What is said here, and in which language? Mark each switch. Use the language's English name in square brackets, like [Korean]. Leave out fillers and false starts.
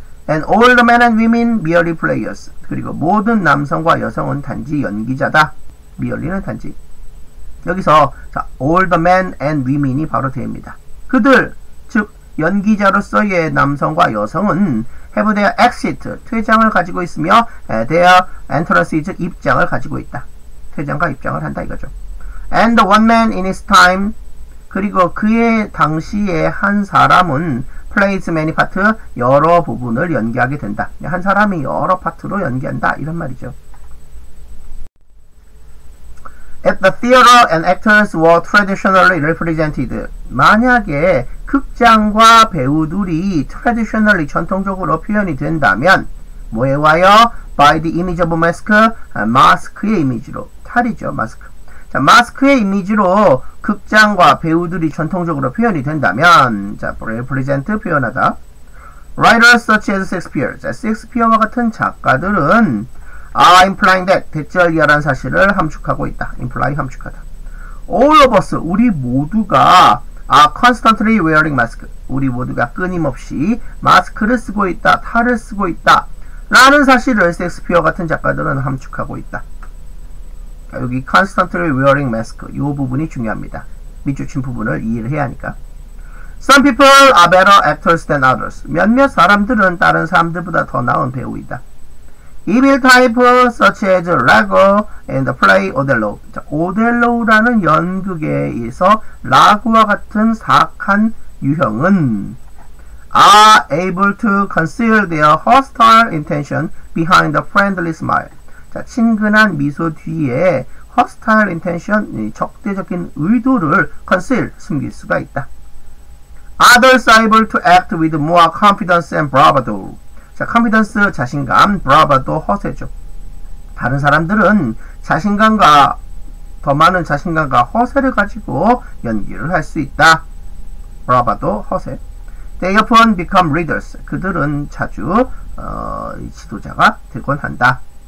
[English] And all the men and women merely players. [Korean] 그리고 모든 남성과 여성은 단지 연기자다. merely는 단지. 여기서 자, [English] all the men and women [Korean] 이 바로 됩니다. 그들, 즉 연기자로서의 남성과 여성은 [English] have their exit, [Korean] 퇴장을 가지고 있으며 [English] their entrance, [Korean] 즉 입장을 가지고 있다. 퇴장과 입장을 한다 이거죠. [English] And one man in his time, [Korean] 그리고 그의 당시에 한 사람은 [English] plays many parts, [Korean] 여러 부분을 연기하게 된다. 한 사람이 여러 파트로 연기한다 이런 말이죠. [English] At the theater, an actors were traditionally represented. [Korean] 만약에 극장과 배우들이 traditionally 전통적으로 표현이 된다면 뭐에 와요? [English] By the image of a mask, [Korean] 마스크의 이미지로 탈이죠, 마스크. 자, 마스크의 이미지로 극장과 배우들이 전통적으로 표현이 된다면 자, represent 표현하다. [English] Writers such as Shakespeare, [Korean] 자, 셰익스피어와 같은 작가들은 [English] I'm implying that [Korean] 대절이라는 사실을 함축하고 있다. imply 함축하다. [English] All of us [Korean] 우리 모두가 [English] are constantly wearing mask. [Korean] 우리 모두가 끊임없이 마스크를 쓰고 있다. 탈을 쓰고 있다. 라는 사실을 셰익스피어 같은 작가들은 함축하고 있다. 자, 여기 [English] constantly wearing mask [Korean] 이 부분이 중요합니다. 밑줄친 부분을 이해를 해야 하니까. [English] Some people are better actors than others. [Korean] 몇몇 사람들은 다른 사람들보다 더 나은 배우이다. [English] Evil type such as Iago in the play Othello. [Korean] 자, 오델로라는 연극에서 라고와 같은 사악한 유형은 [English] are able to conceal their hostile intention behind a friendly smile. [Korean] 자, 친근한 미소 뒤에 [English] hostile intention, [Korean] 적대적인 의도를 conceal, 숨길 수가 있다. [English] Others are able to act with more confidence and bravado. [Korean] 자, confidence, 자신감, bravado, 허세죠. 다른 사람들은 자신감과, 더 많은 자신감과 허세를 가지고 연기를 할 수 있다. [English] bravado, 허세. They often become leaders. [Korean] 그들은 자주 지도자가 되곤 한다.